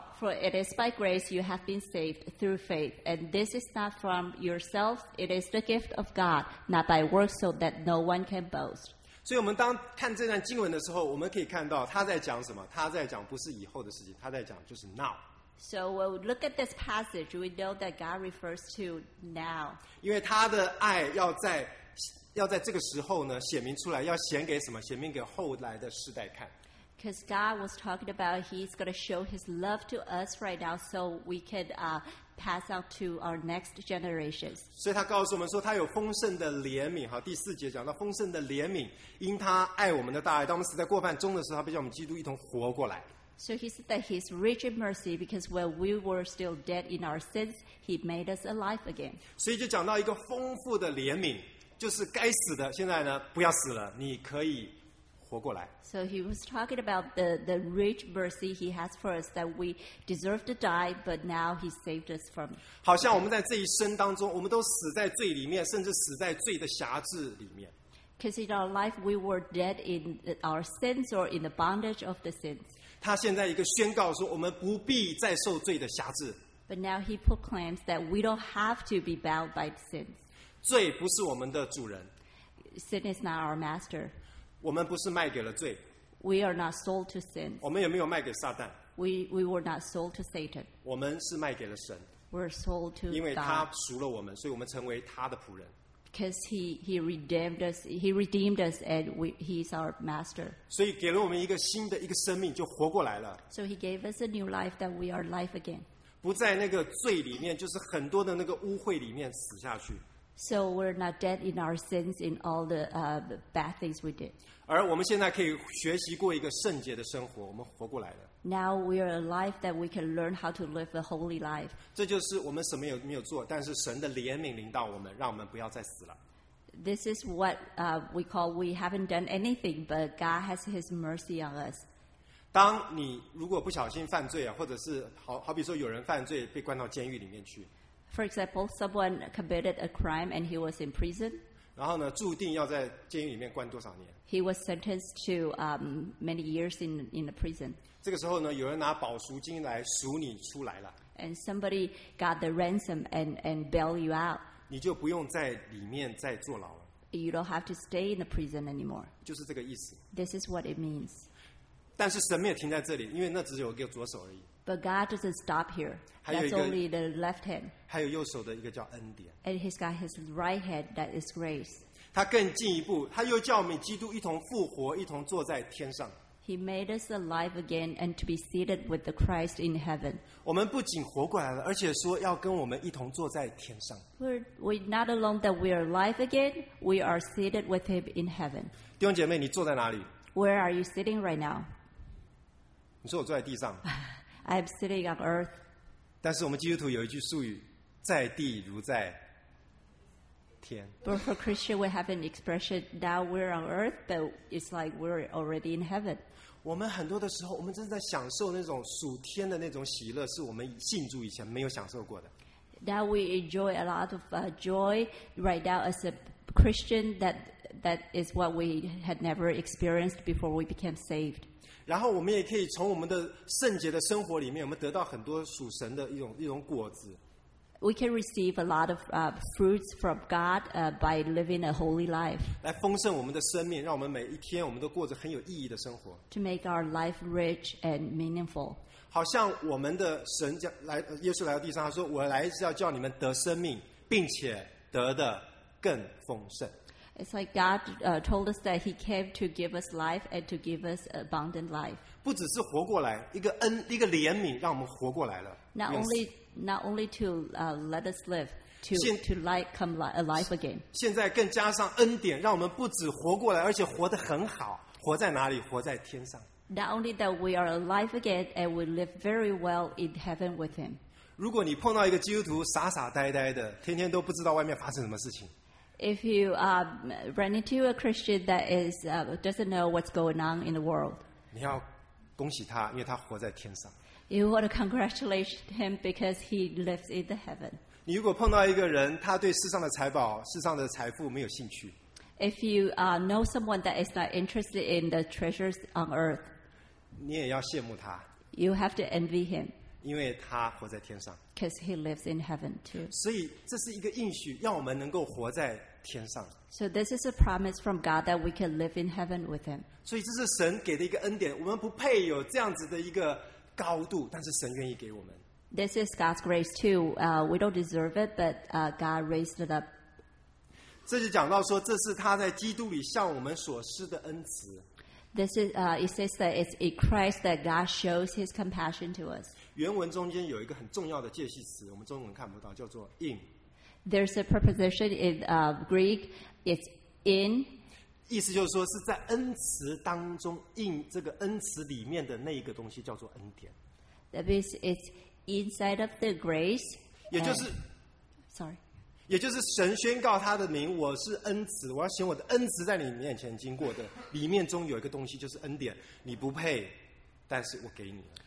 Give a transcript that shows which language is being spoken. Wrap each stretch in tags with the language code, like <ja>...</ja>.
<en>For it is by grace you have been saved through faith, and this is not from yourselves; it is the gift of God, not by works, so that no one can boast.</en> <zh>所以，我们当看这段经文的时候，我们可以看到他在讲什么？他在讲不是以后的事情，他在讲就是 now.</zh> <en>So when we look at this passage, we know that God refers to now.</en> <zh>因为他的爱要在这个时候呢显明出来，要显给什么？显明给后来的世代看。</zh> <en>Because God was talking about he's going to show his love to us right now so we can pass out to our next generations.</en> <zh>所以他告诉我们说他有丰盛的怜悯第四节讲到丰盛的怜悯因他爱我们的大爱当我们死在过犯中的时候他被叫我们基督一同活过来。</zh> <en>So he said that he's rich in mercy because when we were still dead in our sins, he made us alive again.</en> <zh>所以就讲到一个丰富的怜悯就是该死的现在呢不要死了你可以</zh> <en>So he was talking about the rich mercy he has for us that we deserve to die, but now he saved us from.</en> <zh>好像我们在这一生当中，我们都死在罪里面，甚至死在罪的辖制里面。</zh> <en>Because in our life we were dead in our sins or in the bondage of the sins.</en> <zh>他现在一个宣告说，我们不必再受罪的辖制。</zh> <en>But now he proclaims that we don't have to be bound by sins.</en> <zh>罪不是我们的主人。</zh> <en>Sin is not our master.</en> <zh>我们不是卖给了罪</zh> <en>We are not sold to sin.</en> <zh>我们也没有卖给撒旦</zh> <en>We were not sold to Satan.</en> <zh>我们是卖给了神</zh> <en>were sold to God.</en> <zh>因为他赎了我们，所以我们成为他的仆人。</zh> <en>Because he redeemed us, he redeemed us, and he's our master.</en> <zh>所以给了我们一个新的一个生命，就活过来了。</zh> <en>So he gave us a new life that we are alive again.</en> <zh>不在那个罪里面，就是很多的那个污秽里面死下去。</zh> <en>So we're not dead in our sins in all the bad things we did.</en> <zh>而我们现在可以学习过一个圣洁的生活，我们活过来了。</zh> <en>Now we are alive that we can learn how to live a holy life.</en> <zh>这就是我们什么也没有做，但是神的怜悯临到我们，让我们不要再死了。</zh> <en>This is what we call we haven't done anything, but God has His mercy on us.</en> <zh>当你如果不小心犯罪啊，或者是好比说有人犯罪被关到监狱里面去。</zh> <en>For example, someone committed a crime and he was in prison.</en> <zh>然后呢，注定要在监狱里面关多少年</zh> <en>？He was sentenced to many years in the prison.</en> <zh>这个时候呢，有人拿保赎金来赎你出来了。</zh> <en>And somebody got the ransom and bail you out.</en> <zh>你就不用在里面再坐牢了。</zh> <en>You don't have to stay in the prison anymore.</en> <zh>就是这个意思。</zh> <en>This is what it means.</en> <zh>但是神没有停在这里，因为那只有一个左手而已。</zh> <en>But God doesn't stop here. That's only the left hand.</en> <zh>还有右手的一个叫恩典。</zh> <en>And He's got His right hand that is grace.</en> <zh>他更进一步，他又叫我们基督一同复活，一同坐在天上。</zh> <en>He made us alive again and to be seated with the Christ in heaven.</en> <zh>我们不仅活过来了，而且说要跟我们一同坐在天上。</zh> <en>We're not alone that we are alive again. We are seated with Him in heaven.</en> <zh>弟兄姐妹，你坐在哪里</zh> <en>？Where are you sitting right now?</en> <zh>你说我坐在地上。</zh> <en>I'm sitting on earth.</en> <zh>但是我们基督徒有一句术语，在地如在天。</zh> <en>But for Christian, we have an expression. Now we're on earth, but it's like we're already in heaven.</en> <zh>我们很多的时候，我们正在享受那种属天的那种喜乐，是我们信主以前没有享受过的。</zh> <en>Now we enjoy a lot of joy right now as a Christian. That is what we had never experienced before we became saved.</en> <zh>然后我们也可以从我们的圣洁的生活里面，我们得到很多属神的一种果子。</zh> <en>We can receive a lot of fruits from God by living a holy life.</en> <zh>来丰盛我们的生命，让我们每一天我们都过着很有意义的生活。</zh> <en>To make our life rich and meaningful.</en> <zh>好像我们的神来，耶稣来到地上，他说：“我来是要叫你们得生命，并且得的更丰盛。”</zh> <en>It's like God told us that He came to give us life and to give us abundant life.</en> <zh>不只是活过来，一个恩，一个怜悯，让我们活过来了。</zh> <en>Not only to let us live, to like come alive again.</en> <zh>现在更加上恩典，让我们不止活过来，而且活得很好。活在哪里？活在天上。</zh> <en>Not only that we are alive again and we live very well in heaven with Him.</en> <zh>如果你碰到一个基督徒傻傻呆呆的，天天都不知道外面发生什么事情。</zh> <en>If you run into a Christian that is doesn't know what's going on in the world,</en> <zh>你要恭喜他，因为他活在天上。</zh> <en>You want to congratulate him because he lives in the heaven.</en> <zh>你如果碰到一个人，他对世上的财宝、世上的财富没有兴趣。</zh> <en>If you know someone that is not interested in the treasures on earth,</en> <zh>你也要羡慕他。</zh> <en>You have to envy him.</en> <zh>因为他活在天上</zh> <en>，because he lives in heaven too。</en> <zh>所以这是一个应许，让我们能够活在天上。</zh> <en>So this is a promise from God that we can live in heaven with Him。</en> <zh>所以这是神给的一个恩典，我们不配有这样子的一个高度，但是神愿意给我们。</zh> <en>This is God's grace too. We don't deserve it, but God raised it up.</en> <zh>这就讲到说，这是他在基督里向我们所施的恩慈。</zh> <en>This is it says that it's in Christ that God shows His compassion to us.</en> <zh>原文中间有一个很重要的介系词，我们中文看不到，叫做 in.</zh> <en>There's a preposition in Greek. It's in.</en> <zh>意思就是说是在恩慈当中 in 这个恩慈里面的那一个东西叫做恩典。</zh> <en>That means it's inside of the grace.</en> <zh>也就是</zh> <en>，sorry.</en> <zh>也就是神宣告他的名，我是恩慈，我要显我的恩慈在你面前经过的，里面中有一个东西就是恩典，你不配，但是我给你了。</zh>